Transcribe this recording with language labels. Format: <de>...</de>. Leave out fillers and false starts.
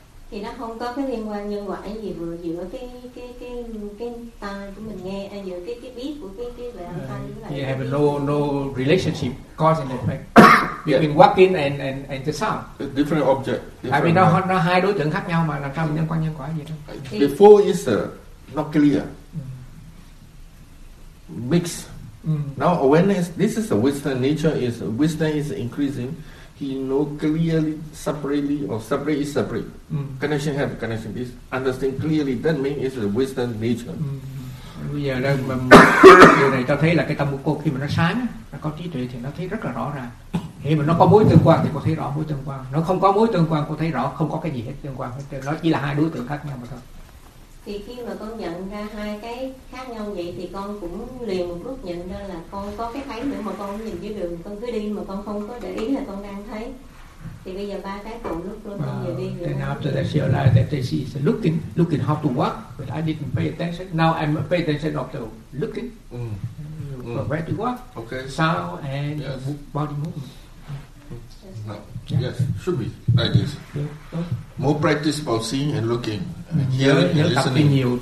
<vi>Thì nó không có cái liên quan nhân quả gì vừa giữa cái tai của mình nghe hay giữa cái biết của cái về âm thanh.</vi> <en>You have no relationship cause and effect. You've been walking and the sound. A different object.</en> <vi>Tại vì nó hai đối tượng khác nhau mà làm sao mình nhân quả gì đâu.</vi> <en>Before is not clear. Mixed. Now awareness, this is the wisdom nature, is wisdom is increasing. He know clearly, separately, or separate is separate. Connection have connection is understand clearly. That means it's the wisdom nature.</en> <vi>Bây giờ đây điều này cho thấy là cái tâm của cô khi mà nó sáng nó có trí tuệ thì nó thấy rất là rõ ràng. Khi mà nó có mối tương quan thì cô thấy rõ mối tương quan. Nó không có mối tương quan cô thấy rõ không có cái gì hết tương quan. Nó chỉ là hai đối tượng khác nhau mà thôi. Thì khi mà con nhận ra hai cái khác nhau vậy thì con cũng liền một lúc nhận ra là con có cái thấy nữa mà con cũng nhìn cái đường con cứ đi mà con không có để ý là con đang thấy. Thì bây giờ ba cái cùng lúc luôn con về đi.</vi> <en>After that she realized that she is looking how to walk, but I didn't pay attention. Now I'm pay attention of the looking. Where to walk? Okay. Sound and yes. Body movement. Yes, should be like this. More practice about seeing and looking, hearing and listening.</en>